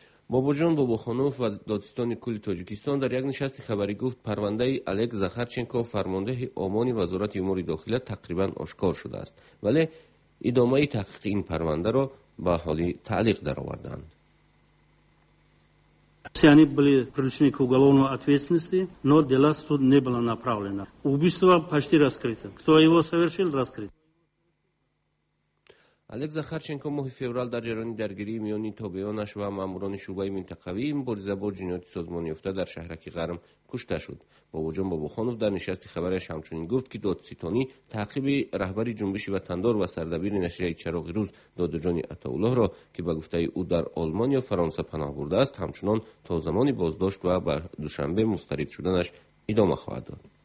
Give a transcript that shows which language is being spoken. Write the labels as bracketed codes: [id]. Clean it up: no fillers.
[tg] بابا جان بابا خانوف و دادستان کل تاجیکستان در یک نشست خبری گفت پرونده الک زخرچنکو فرمانده آمان وزارت امور داخلی تقریبا آشکار شده است، ولی ادامه تحقیق این پرونده را به حالی تعلیق در آوردند. [ru] Все они были привлечены к уголовной ответственности, но дела суд не было направлено. Убийство почти раскрыто. Кто его совершил, раскрыто. [tg] الک زخرچنکو ماه فوریه در جریان درگیری میان تابعانش و ماموران شعبه منطقوی مبارزه با جنایت سازمان یافته در شهرک غرم کشته شد. باباجان باباخانوف در نشست خبریش همچنین گفت که دادستانی تعقیب رهبری جنبش وطن‌دار و سردبیر نشریه چراغ روز دادوجان عطاالله را که به گفته او در آلمان یا فرانسه پناه برده است، همچنان تا زمان بازداشت و به دوشنبه مسترد شدنش ادامه خواهد داد.